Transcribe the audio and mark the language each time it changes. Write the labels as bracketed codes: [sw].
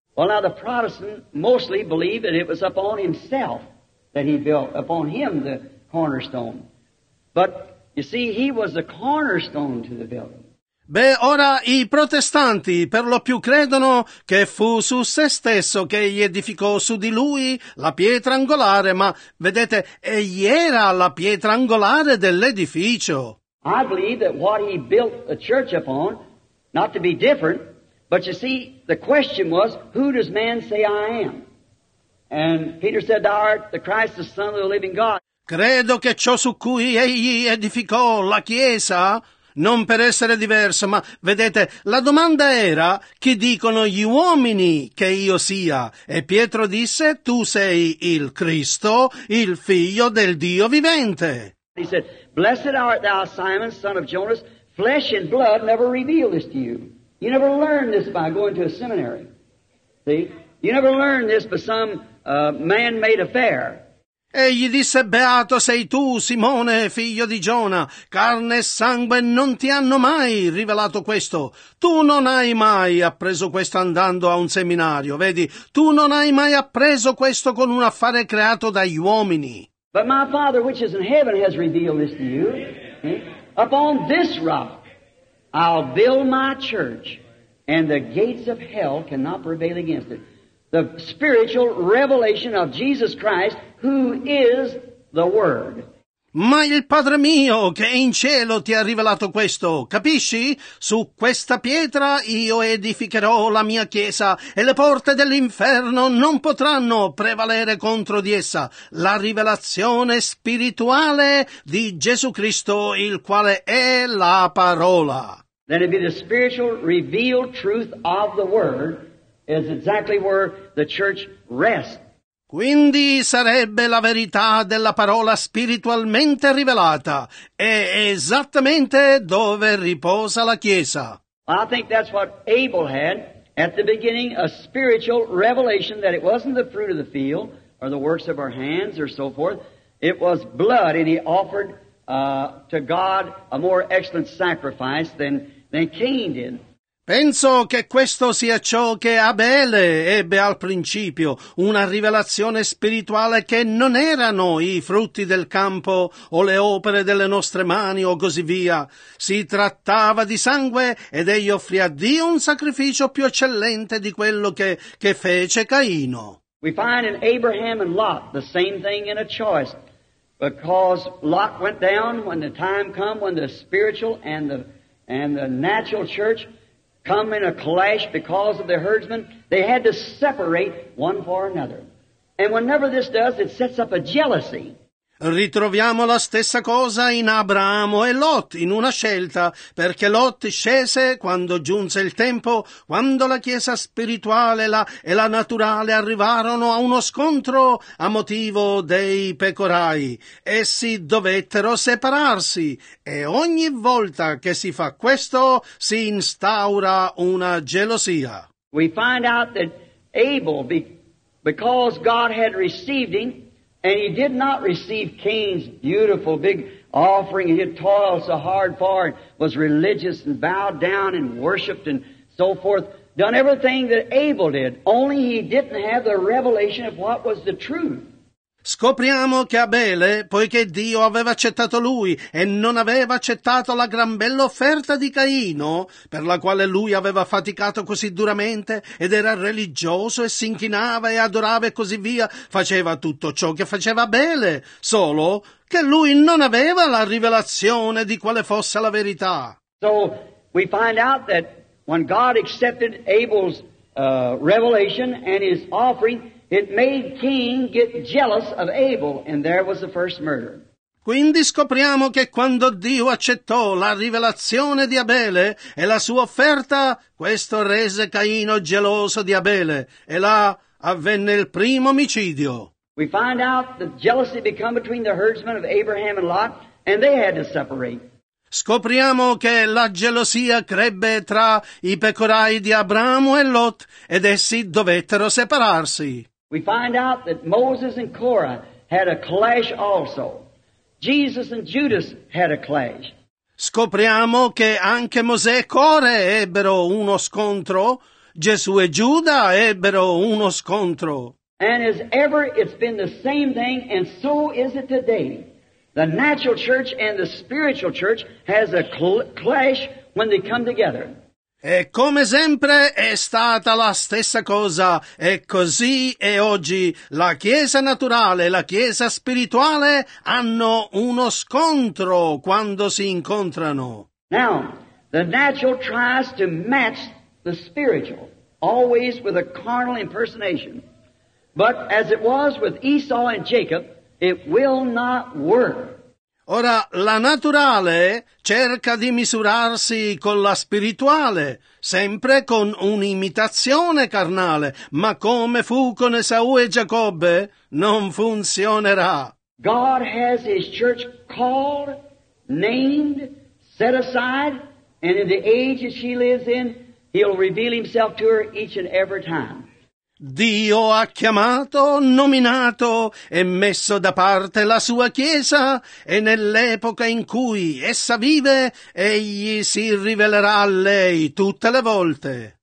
[en] Well, now the Protestant mostly believe that it was upon himself that he built, upon him the cornerstone. But, you see, he was the cornerstone to the building. [it] Beh, ora i protestanti per lo più credono che fu su se stesso che egli edificò su di lui la pietra angolare, ma vedete, egli era la pietra angolare dell'edificio. [en] I believe that what he built a church upon, not to be different, but you see, the question was, who does man say I am? And Peter said, thou art the Christ, the Son of the living God. [it] Credo che ciò su cui egli edificò la Chiesa... Non per essere diverso, ma vedete, la domanda era chi dicono gli uomini che io sia. E Pietro disse, tu sei il Cristo, il figlio del Dio vivente. [en] He said, blessed art thou, Simon, son of Jonas, flesh and blood never reveal this to you. You never learn this by going to a seminary. See? You never learn this by some man-made affair. [it] E gli disse, beato sei tu, Simone, figlio di Giona, carne e sangue non ti hanno mai rivelato questo. Tu non hai mai appreso questo andando a un seminario, vedi? Tu non hai mai appreso questo con un affare creato dagli uomini. [en] But my Father, which is in heaven, has revealed this to you. Upon this rock I'll build my church, and the gates of hell cannot prevail against it. The spiritual revelation of Jesus Christ, who is the Word. [it] Ma il Padre mio che è in cielo ti ha rivelato questo, capisci? Su questa pietra io edificherò la mia chiesa e le porte dell'inferno non potranno prevalere contro di essa. La rivelazione spirituale di Gesù Cristo, il quale è la parola. [en] Then it be the spiritual revealed truth of the Word. Is exactly where the church rests. [it] Quindi sarebbe la verità della parola spiritualmente rivelata, è esattamente dove riposa la Chiesa. [en] I think that's what Abel had at the beginning, a spiritual revelation that it wasn't the fruit of the field or the works of our hands or so forth. It was blood, and he offered to God a more excellent sacrifice than Cain did. [it] Penso che questo sia ciò che Abele ebbe al principio, una rivelazione spirituale che non erano i frutti del campo o le opere delle nostre mani o così via. Si trattava di sangue ed egli offrì a Dio un sacrificio più eccellente di quello che fece Caino. [en] We find in Abraham and Lot the same thing in a choice, because Lot went down when the time come when the spiritual and the natural church come in a clash because of the herdsmen. They had to separate one for another. And whenever this does, it sets up a jealousy. [it] Ritroviamo la stessa cosa in Abramo e Lot, in una scelta, perché Lot scese quando giunse il tempo, quando la chiesa spirituale e la naturale arrivarono a uno scontro a motivo dei pecorai. Essi dovettero separarsi, e ogni volta che si fa questo, si instaura una gelosia. [en] We find out that Abel, because God had received him, and he did not receive Cain's beautiful big offering, he had toiled so hard for it, was religious and bowed down and worshipped and so forth, done everything that Abel did, only he didn't have the revelation of what was the truth. [it] Scopriamo che Abele, poiché Dio aveva accettato lui e non aveva accettato la gran bella offerta di Caino, per la quale lui aveva faticato così duramente ed era religioso e si inchinava e adorava e così via, faceva tutto ciò che faceva Abele, solo che lui non aveva la rivelazione di quale fosse la verità. [en] So we find out that when God accepted Abel's revelation and his offering, it made Cain get jealous of Abel, and there was the first murder. [it] Quindi scopriamo che quando Dio accettò la rivelazione di Abele e la sua offerta, questo rese Caino geloso di Abele, e là avvenne il primo omicidio. [en] We find out the jealousy became between the herdsmen of Abraham and Lot, and they had to separate. [it] Scopriamo che la gelosia crebbe tra i pecorai di Abramo e Lot, ed essi dovettero separarsi. [en] We find out that Moses and Korah had a clash also. Jesus and Judas had a clash. [it] Scopriamo che anche Mosè e Core ebbero uno scontro. Gesù e Giuda ebbero uno scontro. [en] And as ever, it's been the same thing, and so is it today. The natural church and the spiritual church has a clash when they come together. [it] E come sempre è stata la stessa cosa, e così è oggi. La chiesa naturale e la chiesa spirituale hanno uno scontro quando si incontrano. [en] Now, the natural tries to match the spiritual, always with a carnal impersonation. But as it was with Esau and Jacob, it will not work. [it] Ora, la naturale cerca di misurarsi con la spirituale, sempre con un'imitazione carnale, ma come fu con Esaù e Giacobbe, non funzionerà. [en] God has his church called, named, set aside, and in the age that she lives in, he'll reveal himself to her each and every time. [it] Dio ha chiamato, nominato e messo da parte la sua Chiesa, e nell'epoca in cui essa vive, egli si rivelerà a lei tutte le volte.